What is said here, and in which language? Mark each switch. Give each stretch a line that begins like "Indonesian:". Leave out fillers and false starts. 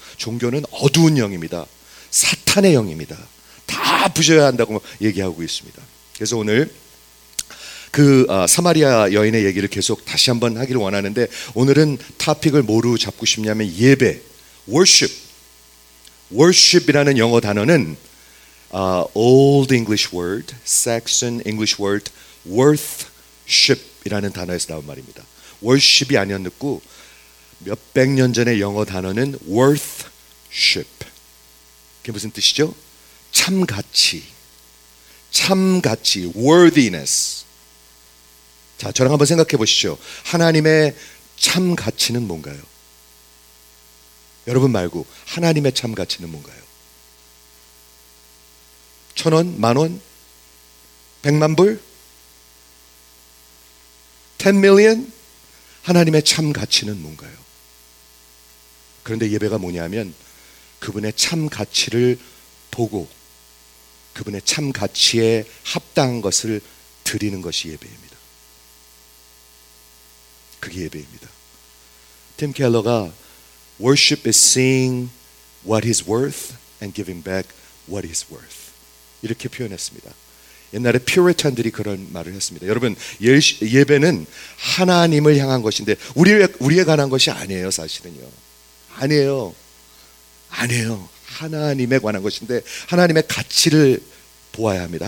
Korean: 종교는 어두운 영입니다. 사탄의 영입니다. 다 부셔야 한다고 얘기하고 있습니다. 그래서 오늘 그 사마리아 여인의 얘기를 계속 다시 한번 하기를 원하는데 오늘은 토픽을 뭐로 잡고 싶냐면 예배, worship. worship이라는 영어 단어는
English: Old English word, Saxon English word,
Korean: worth-ship이라는 단어에서 나온 말입니다. worship이 아니었고 몇백 년 전의 영어 단어는 worth fellowship. 그게 무슨 뜻이죠? 참 가치. 참 가치, worthiness. 자, 저랑 한번 생각해 보시죠. 하나님의 참 가치는 뭔가요? 여러분 말고 하나님의 참 가치는 뭔가요? 천 원, 만 원, 백만 불?
English: 10 million?
Korean: 하나님의 참 가치는 뭔가요? 그런데 예배가 뭐냐면 그분의 참 가치를 보고 그분의 참 가치에 합당한 것을 드리는 것이 예배입니다. 그게 예배입니다. 팀 켈러가
English: Worship is seeing what he's worth and giving back what he's worth.
Korean: 이렇게 표현했습니다. 옛날에 퓨리탄들이 그런 말을 했습니다. 여러분, 예배는 하나님을 향한 것인데 우리에 관한 것이 아니에요, 사실은요. 아니에요. 아니에요. 하나님에 관한 것인데 하나님의 가치를 보아야 합니다.